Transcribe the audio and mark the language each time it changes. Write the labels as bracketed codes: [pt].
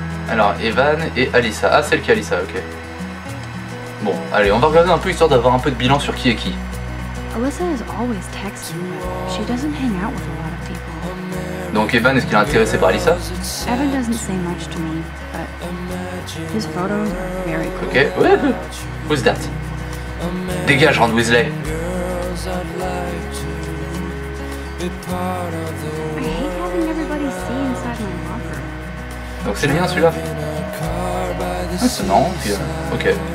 [fr] Alors, Evan et Alyssa. Ah, celle qui est Alyssa, ok. Bon, allez, on va regarder un peu histoire d'avoir un peu de bilan sur qui est qui. [en] Alyssa is always texting, but she doesn't hang out with a lot of people. [fr] Donc, Evan, est-ce qu'il est intéressé par Alyssa? [en] Evan doesn't say much to me, but his photos are very cool. [fr] Ok, wouhou! [en] Who's that? [fr] Dégage, Ron Weasley! [en] I hate having everybody see inside my locker. [fr] Donc c'est le mien celui-là. Ah, c'est non, puis, ok.